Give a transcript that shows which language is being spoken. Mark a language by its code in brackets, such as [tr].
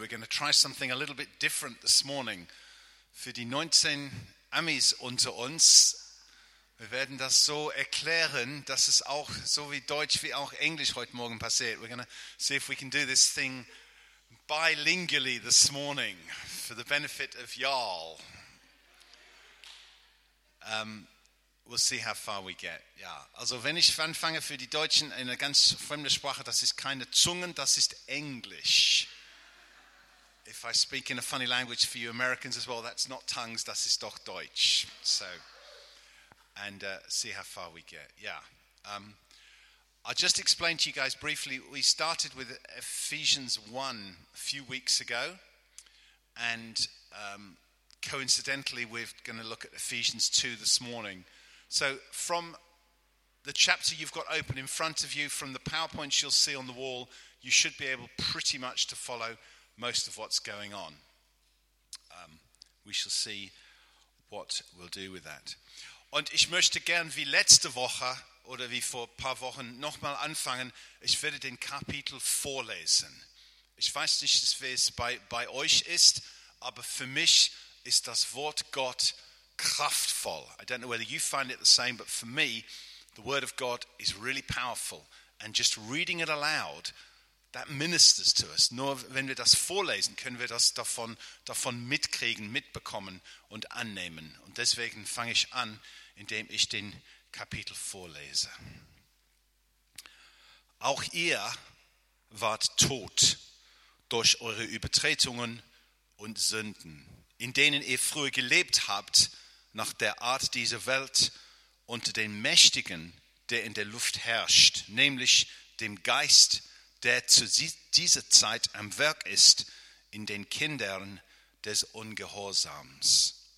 [en] We're going to try something a little bit different this morning. [de] Für die 19 Amis unter uns, wir werden das so erklären, dass es auch so wie Deutsch wie auch Englisch heute Morgen passiert. [en] We're going to see if we can do this thing bilingually this morning for the benefit of y'all. We'll see how far we get. [de] Ja, also wenn ich anfange für die Deutschen in einer ganz fremden Sprache, das ist keine Zungen, das ist Englisch. [en] If I speak in a funny language for you Americans as well, that's not tongues, [de] das ist doch Deutsch. [en] So, and see how far we get. Yeah. I'll just explain to you guys briefly, we started with Ephesians 1 a few weeks ago. And coincidentally, we're going to look at Ephesians 2 this morning. So from the chapter you've got open in front of you, from the PowerPoints you'll see on the wall, you should be able pretty much to follow most of what's going on. We shall see what we'll do with that. [de] Und ich möchte gern wie letzte Woche oder wie vor ein paar Wochen nochmal anfangen. Ich werde den Kapitel vorlesen. Ich weiß nicht, wie es bei euch ist, aber für mich ist das Wort Gott kraftvoll. [en] I don't know whether you find it the same, but for me, the Word of God is really powerful. And just reading it aloud, that ministers to us. [de] Nur wenn wir das vorlesen, können wir das davon mitkriegen, mitbekommen und annehmen. Und deswegen fange ich an, indem ich den Kapitel vorlese. Auch ihr wart tot durch eure Übertretungen und Sünden, in denen ihr früher gelebt habt, nach der Art dieser Welt, unter den Mächtigen, der in der Luft herrscht, nämlich dem Geist, der zu dieser Zeit am Werk ist, in den Kindern des Ungehorsams.